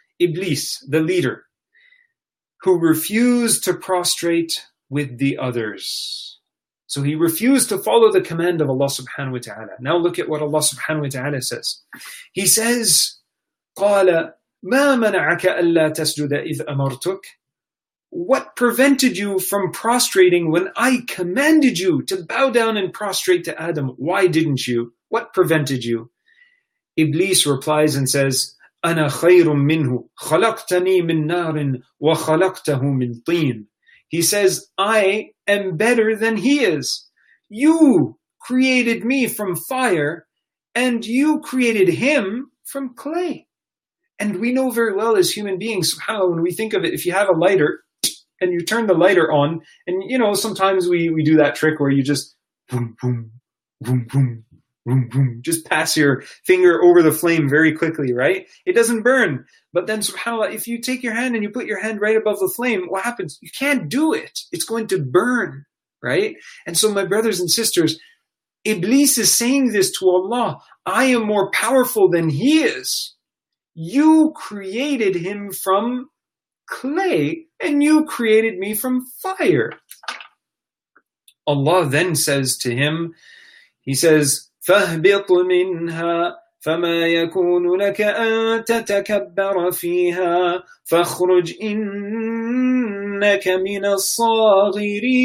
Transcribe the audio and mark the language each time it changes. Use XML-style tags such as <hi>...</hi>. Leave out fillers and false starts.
<en>Iblis, the leader, who refused to prostrate with the others. So he refused to follow the command of Allah subhanahu wa ta'ala. Now look at what Allah subhanahu wa ta'ala says. He says,</en> <ar>قَالَ مَا مَنَعَكَ أَلَّا تَسْجُدَ إِذْ أَمَرْتُكَ</ar> <en>what prevented you from prostrating when I commanded you to bow down and prostrate to Adam? Why didn't you? What prevented you? Iblis replies and says,</en> <ar>أَنَا خَيْرٌ مِّنْهُ خَلَقْتَنِي مِنْ نَارٍ وَخَلَقْتَهُ مِنْ طِينٍ.</ar> <en>He says, I am better than he is. You created me from fire, and you created him from clay. And we know very well as human beings how, when we think of it, if you have a lighter and you turn the lighter on, and you know, sometimes we do that trick where you just boom, boom, boom, boom, boom, boom, just pass your finger over the flame very quickly, right? It doesn't burn. But then subhanAllah, if you take your hand and you put your hand right above the flame, what happens? You can't do it. It's going to burn, right? And so my brothers and sisters, Iblis is saying this to Allah, I am more powerful than he is. You created him from clay and you created me from fire. Allah then says to him, he says,</en> <ar>فَاهْبِطْ مِنْهَا فَمَا يَكُونُ لَكَ أَن تَتَكَبَّرَ فِيهَا فَاخْرُجْ إِنَّكَ مِنَ الصَّاغِرِينَ.</ar>